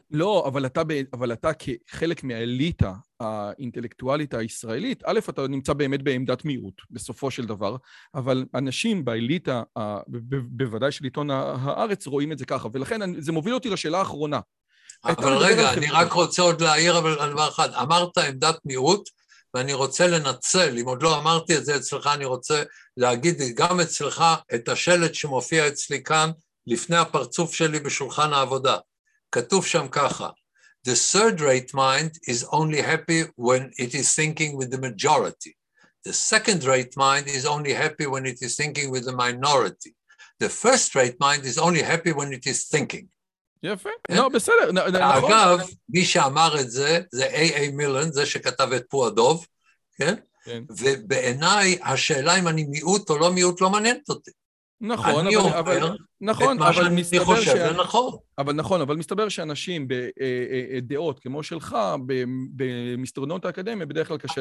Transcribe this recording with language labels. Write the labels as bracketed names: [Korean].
[Hebrew] לא, אבל אתה כחלק מהאליטה האינטלקטואלית הישראלית, א', אתה נמצא באמת בעמדת מיעוט, בסופו של דבר, אבל אנשים באליטה, בוודאי של עיתון הארץ, רואים את זה ככה, ולכן זה מוביל אותי לשאלה האחרונה. אבל רגע, אני רק רוצה עוד להעיר על דבר אחד, אמרת עמדת מיעוט, ואני רוצה לנצל, אם עוד לא אמרתי את זה אצלך, אני רוצה להגיד גם אצלך את השלט שמופיע אצלי כאן, לפני הפרצוף שלי בשולחן העבודה. כתוב שם ככה, [English] the third rate mind is only happy when it is thinking with the majority. The second-rate mind is only happy when it is thinking with the minority. The first-rate mind is only happy when it is thinking. [Hebrew] יפה. לא, בסדר. אגב, מי שאמר את זה, זה A.A. מילן, זה שכתב את פועדוב, כן? ובעיניי, השאלה אם אני מיעוט או לא מיעוט לא מעניינת אותי. נכון, אני אומר אבל, נכון, את מה שאני חושב, זה נכון. אבל נכון, אבל מסתבר שאנשים בדעות כמו שלך, במסדרונות האקדמיה, בדרך כלל קשה